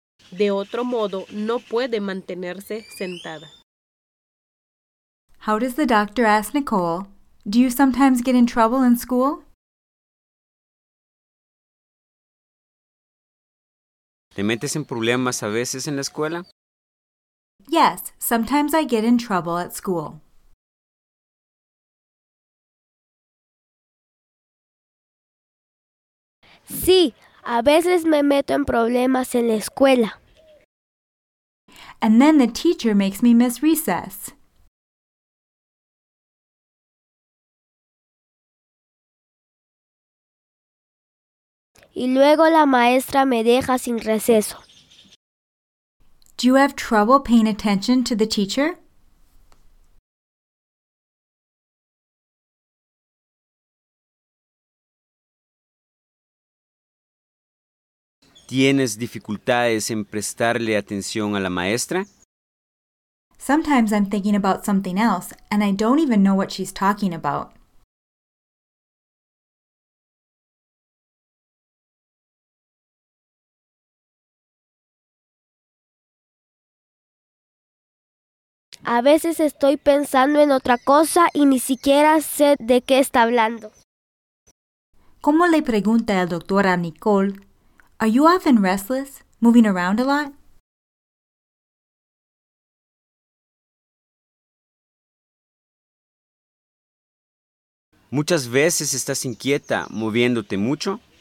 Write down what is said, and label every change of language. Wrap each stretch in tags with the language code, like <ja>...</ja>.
<es>De otro modo, no puede mantenerse sentada.</es> <en>How does the doctor ask Nicole, "Do you sometimes get in trouble in school?"</en> <es>¿Te metes en problemas a veces en la escuela?</es> <en>Yes, sometimes I get in trouble at school.</en> <es>Sí, a veces me meto en problemas en la escuela.</es> <en>And then the teacher makes me miss recess.</en> <es>Y luego la maestra me deja sin receso.</es> <en>Do you have trouble paying attention to the teacher?</en> <es>¿Tienes dificultades en prestarle atención a la maestra?</es> <en>Sometimes I'm thinking about something else and I don't even know what she's talking about.</en> <es>A veces estoy pensando en otra cosa y ni siquiera sé de qué está hablando. ¿Cómo le pregunta el doctor a Nicole?</es> <en>Are you often restless, moving around a lot?</en> <es>Muchas veces estás inquieta, moviéndote mucho.</es>